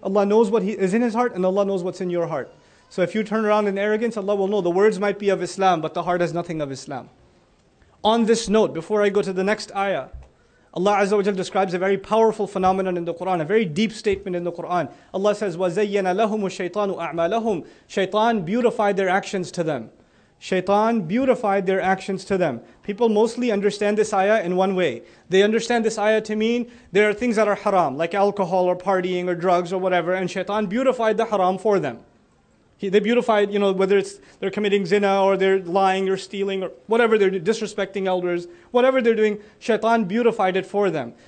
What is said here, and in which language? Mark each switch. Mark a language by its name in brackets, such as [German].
[English] Allah knows what is in his heart, and Allah knows what's in your heart. So if you turn around in arrogance, Allah will know. The words might be of Islam, but the heart has nothing of Islam. On this note, before I go to the next ayah, Allah Azza wa Jalla describes a very powerful phenomenon in the Quran, a very deep statement in the Quran. Allah says, [Arabic] وَزَيَّنَ لَهُمُ الشَّيْطَانُ أَعْمَالَهُمْ. [English] Shaitan beautified their actions to them. Shaitan beautified their actions to them. People mostly understand this ayah in one way. They understand this ayah to mean there are things that are haram, like alcohol or partying or drugs or whatever, and shaitan beautified the haram for them. They beautified, whether it's they're committing zina or they're lying or stealing or whatever, they're disrespecting elders, whatever they're doing, shaitan beautified it for them.